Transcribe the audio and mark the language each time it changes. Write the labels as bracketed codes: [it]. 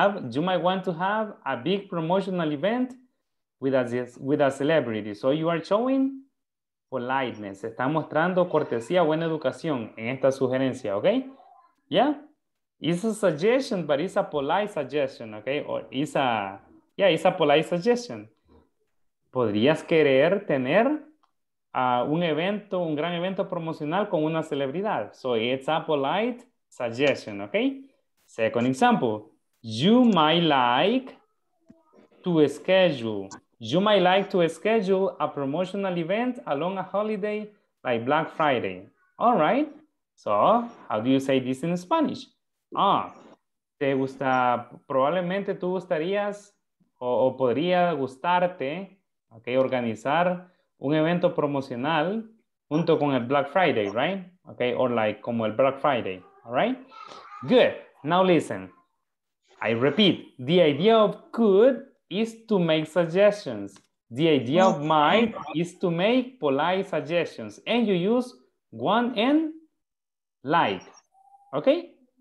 [en] You might want to have a big promotional event with a celebrity. So you are showing politeness. [es] Está mostrando cortesía, buena educación en esta sugerencia, okay? [en] Yeah, it's a suggestion, but it's a polite suggestion, okay? It's a polite suggestion. [es] Podrías querer tener un gran evento promocional con una celebridad. [en] So it's a polite suggestion, okay? Second example, you might like to schedule a promotional event along a holiday like Black Friday. All right, so how do you say this in Spanish? [es] Probablemente tú gustarías o podría gustarte, okay, organizar un evento promocional junto con el Black Friday, right? [en] Okay, or like [es] como el [en] Black Friday, all right? Good. Now listen, I repeat, the idea of could is to make suggestions. The idea of might is to make polite suggestions. And you use want and like, okay?